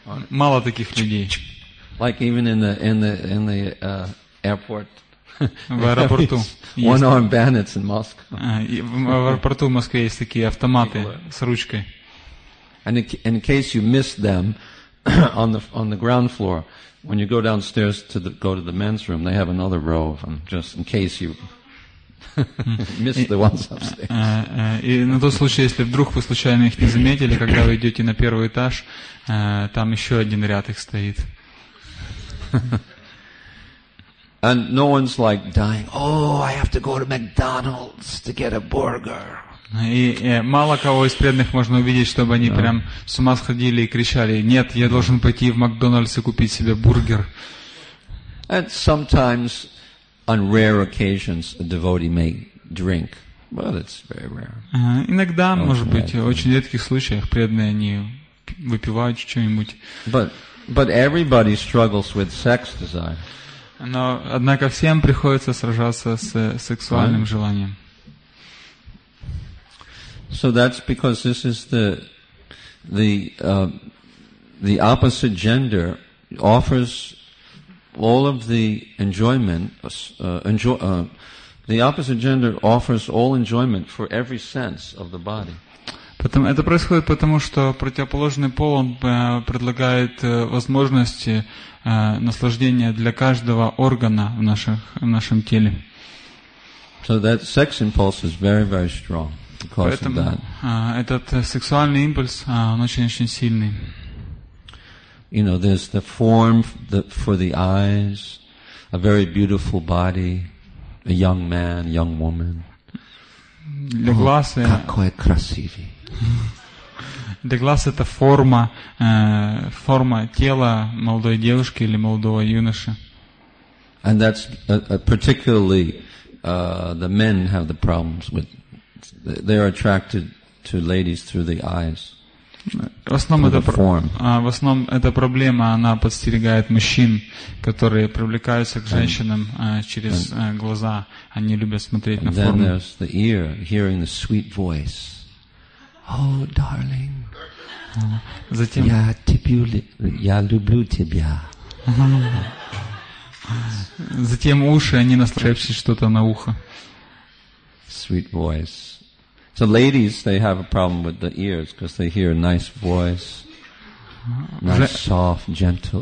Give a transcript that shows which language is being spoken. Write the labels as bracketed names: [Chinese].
[Russian] Мало таких людей. [English] Like even in the airport. [Russian] В аэропорту. [English] One-armed bandits in Moscow. [Russian] В аэропорту в Москве есть такие автоматы с ручкой. [English] And in case you miss them on the ground floor, when you go downstairs to go to the men's room, they have another row of them, just in case you miss the ones upstairs. [Russian] И на тот случай, если вдруг вы случайно их не заметили, когда вы идете на первый этаж, там еще один ряд их стоит. [English] And no one's like dying. Oh, I have to go to McDonald's to get a burger. [Russian] И мало кого из преданных можно увидеть, чтобы они прям с ума сходили и кричали: "Нет, я должен пойти в Макдональдс и купить себе бургер." [English] And sometimes, on rare occasions, a devotee may drink, but it's very rare. [Russian] Иногда, может быть, в очень редких случаях преданные они выпивают что-нибудь. [English] But everybody struggles with sex desire. [Russian] Но, однако, всем приходится сражаться с сексуальным желанием. [English] So that's because this is the opposite gender offers all of the enjoyment, the opposite gender offers all enjoyment for every sense of the body. [Russian] Это происходит потому, что противоположный пол он предлагает возможности наслаждения для каждого органа в нашем теле. [English] So that sex impulse is very, very strong because [Russian] Поэтому, [English] of that. [Russian] Этот сексуальный импульс он очень-очень сильный. [English] You know, there's the form for the eyes, a very beautiful body, a young man, young woman. [Russian] Для глаз, какой красивый. Для глаз это форма тела молодой девушки или молодого юноши. [English] And that's particularly the men have the problems with. They are attracted to ladies through the eyes. [Russian] В основном эта проблема она подстерегает мужчин, которые привлекаются к женщинам через глаза. Они любят смотреть на форму. [English] And then there's the ear, hearing the sweet voice. Oh, darling. [Russian] Затем я люблю тебя. Затем уши, они настраивают что-то на ухо. [English] Sweet voice. So ladies, they have a problem with the ears because they hear a nice voice, nice, soft, gentle.